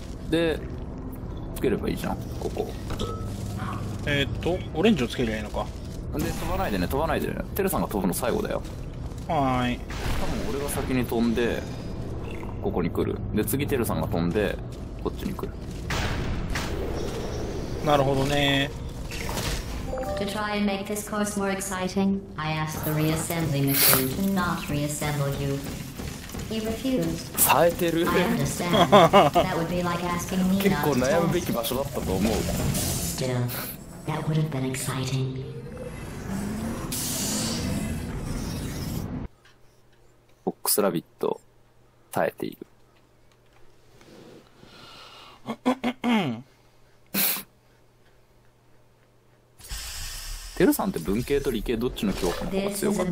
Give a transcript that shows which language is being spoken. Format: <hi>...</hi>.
<ja>で、つければいいじゃん、ここ。オレンジをつければいいのか。で、飛ばないでね、飛ばないでね。テルさんが飛ぶの最後だよ。はーい。多分俺が先に飛んで、ここに来る。で、次テルさんが飛んで、こっちに来る。なるほどね。</ja> <en>To try and make this course more exciting, I asked the reassembly machine to not reassemble you. He refused.</en> <ja>冴えてる。</ja> <en>I understand. That would be like asking me not to</en> <ja>結構悩むべき場所だったと思う。</ja> <en>Still, that would have been exciting.</en> <ja>フォックスラビット耐えている。テルさんって文系と理系どっちの教科の方が強かった</ja>